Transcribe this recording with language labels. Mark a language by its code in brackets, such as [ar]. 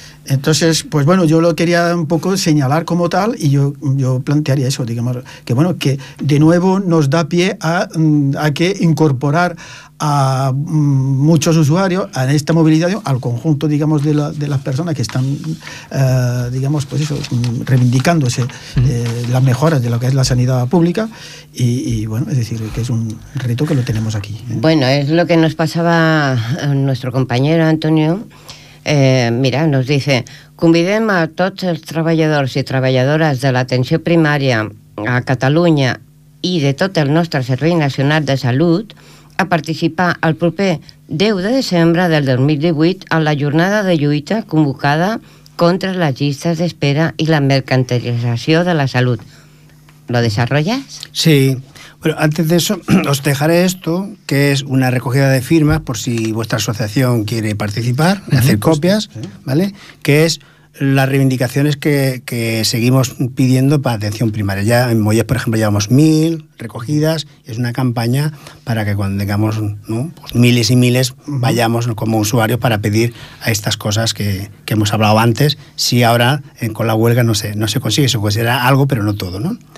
[es] Entonces, pues bueno, yo lo quería un poco señalar como tal y yo plantearía eso, digamos, que bueno, que de nuevo nos da pie a que incorporar a muchos usuarios a esta movilización, al conjunto, digamos, de las personas que están, digamos, pues eso, reivindicándose las mejoras de lo que es la sanidad pública y bueno, es decir, que es un reto que lo tenemos aquí. Bueno, es lo que nos pasaba a nuestro compañero Antonio. Mira, nos dice: [ca] convidem a tots els treballadors i treballadores de l'atenció primària a Catalunya i de tot el nostre Servei Nacional de Salut a participar el proper 10 de desembre del 2018 a la jornada de lluita convocada contra les llistes d'espera i la mercantilització de la salut. [es] ¿Lo desarrollas? Sí. Bueno, antes de eso, os dejaré esto, que es una recogida de firmas, por si vuestra asociación quiere participar, hacer copias, ¿vale? Que es las reivindicaciones que seguimos pidiendo para atención primaria. Ya en Mollet, por ejemplo, llevamos 1,000 recogidas, es una campaña para que cuando tengamos, ¿no?, pues miles y miles, vayamos como usuarios para pedir a estas cosas que hemos hablado antes, si ahora con la huelga no se consigue, se considera algo, pero no todo, ¿no?